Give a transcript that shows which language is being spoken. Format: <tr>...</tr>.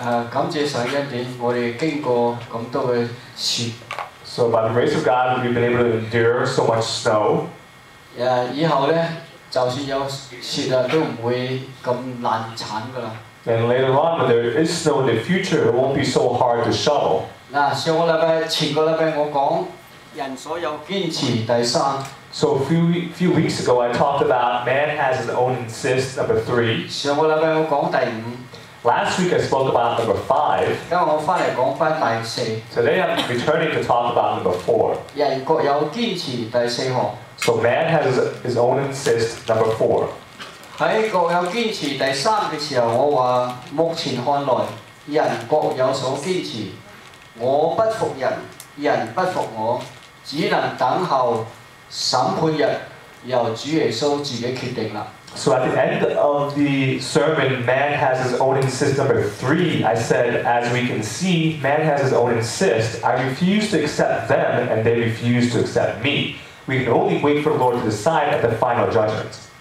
<zh>感謝神恩典，我哋經過咁多嘅雪。</zh> <en>So by the grace of God, we've been able to endure so much snow.</en> <zh>以後咧，就算有雪啊，都唔會咁難鏟噶啦。</zh> <en>And later on, when there is snow in the future, it won't be so hard to shovel.</en> <zh>上個禮拜前個禮拜我講人所有堅持第三。</zh> <en>So few weeks ago I talked about man has his own insist number three。</en> <zh>上個禮拜我講第五。</zh> <en>Last week I spoke about number five。</en> <zh>今日我翻嚟講翻第四。</zh> <en>Today I'm returning to talk about number four。</en> <zh>人各有堅持第四項。</zh> <en>So man has his own insist number four。</en> <zh>喺各有堅持第三嘅時候，我話目前看來人各有所堅持。我不服人，人不服我，只能等候審判日，由主耶穌自己決定啦。</zh> <en>So at the end of the sermon, man has his own insist number three. I said, as we can see, man has his own insist. I refuse to accept them, and they refuse to accept me. We can only wait for the Lord to decide at the final judgment.</en>